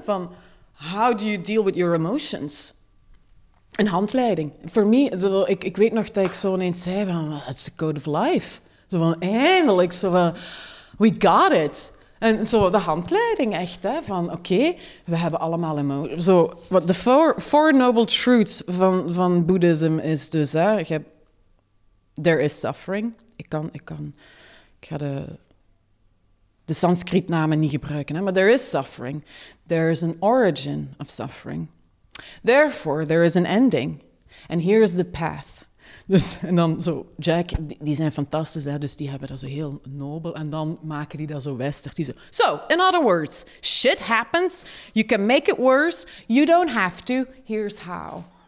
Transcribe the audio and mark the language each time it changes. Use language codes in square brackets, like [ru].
[en] Van, how do you deal with your emotions? [nl] Een handleiding. Voor mij, ik weet nog dat ik zo ineens zei van, [en] it's the code of life. [nl] Zo van, eindelijk, zo van, [en] we got it. [nl] En zo de handleiding echt, hè, van oké, we hebben allemaal emoties. Zo, wat de four noble truths van boeddhisme is dus, hè, je hebt, [en] there is suffering. [nl] Ik ga de Sanskriet namen niet gebruiken, hè, maar [en] there is suffering. There is an origin of suffering. Therefore, there is an ending. And here is the path. [nl] Dus, en dan zo, Jack, die zijn fantastisch, hè, dus die hebben dat zo heel nobel. En dan maken die dat zo westerd. [en] Die zo, so, in other words, shit happens, you can make it worse, you don't have to, here's how.